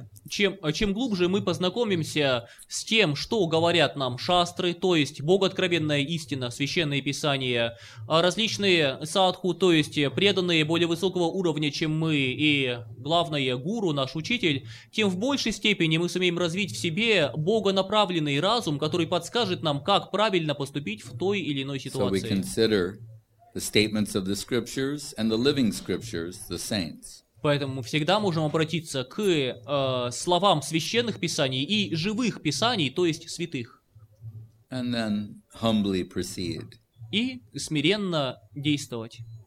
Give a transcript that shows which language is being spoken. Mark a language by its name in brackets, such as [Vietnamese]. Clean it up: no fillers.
[Russian] Чем глубже мы познакомимся с тем, что говорят нам шастры, то есть богооткровенная истина, священные писания, различные садху, то есть преданные более высокого уровня, чем мы, и главное, гуру, наш учитель, тем в большей степени мы сумеем развить в себе богонаправленный разум, который подскажет нам, как правильно поступить в той или иной ситуации. [English] So we consider the statements of the scriptures and the living scriptures, the saints. [Russian] Поэтому мы всегда можем обратиться к словам священных писаний и живых писаний, то есть святых. [English] And then humbly proceed. [Russian] И смиренно действовать.